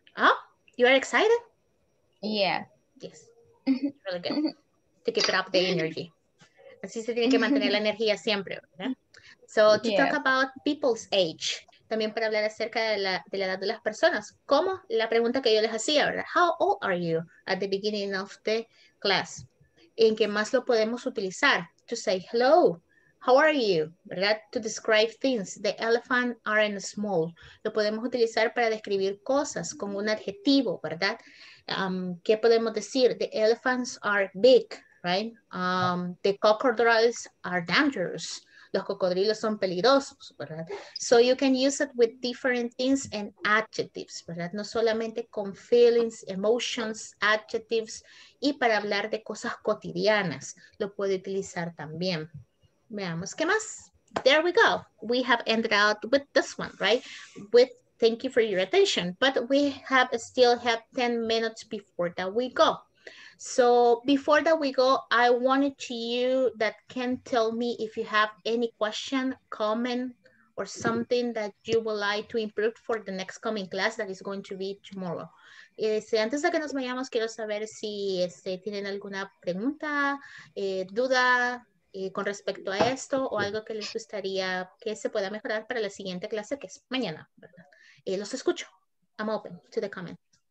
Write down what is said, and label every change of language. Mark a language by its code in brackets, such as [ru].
[en] Oh, you are excited? Yeah. Yes. Really good. To keep it up the energy. [es] Así se tiene que mantener la energía siempre, ¿verdad? [en] So, to talk about people's age. [es] También para hablar acerca de la edad de las personas. ¿Cómo? La pregunta que yo les hacía, ¿verdad? [en] How old are you at the beginning of the class? [es] ¿En qué más lo podemos utilizar? [en] To say hello. How are you? [es] ¿Verdad? [en] To describe things. The elephant aren't small. [es] Lo podemos utilizar para describir cosas con un adjetivo, ¿verdad? ¿Qué podemos decir? [en] The elephants are big, right? The crocodiles are dangerous. [es] Los cocodrilos son peligrosos, ¿verdad? [en] So you can use it with different things and adjectives, ¿verdad? [es] No solamente con [en] feelings, emotions, adjectives. [es] Y para hablar de cosas cotidianas, lo puede utilizar también. Veamos qué más. [en] There we go. We have ended out with this one, right? With thank you for your attention. But we have still have 10 minutes before that we go. So before that we go, I wanted to you that can tell me if you have any question, comment, or something that you would like to improve for the next coming class that is going to be tomorrow. [es] Antes de que nos vayamos, quiero saber si tienen alguna pregunta, duda. Con respecto a esto o algo que les gustaría que se pueda mejorar para la siguiente clase que es mañana, ¿verdad? Los escucho. [en] I'm open to the comments.